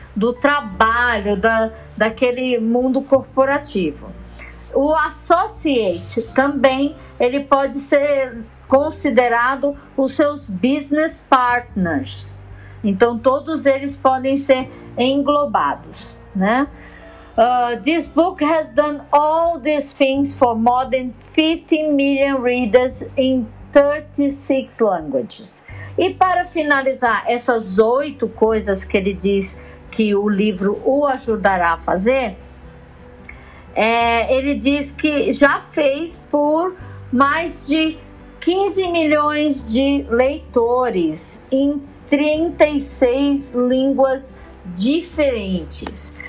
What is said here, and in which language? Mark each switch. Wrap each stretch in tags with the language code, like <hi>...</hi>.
<pt>Do trabalho, daquele mundo corporativo. O associate também, ele pode ser considerado os seus</pt> <en>business partners.</en> <pt>Então, todos eles podem ser englobados, né?</pt> <en>This book has done all these things for more than 50 million readers in 36 languages.</en> <pt>E para finalizar, essas 8 coisas que ele diz que o livro o ajudará a fazer, ele diz que já fez por mais de 15 milhões de leitores em 36 línguas diferentes.</pt>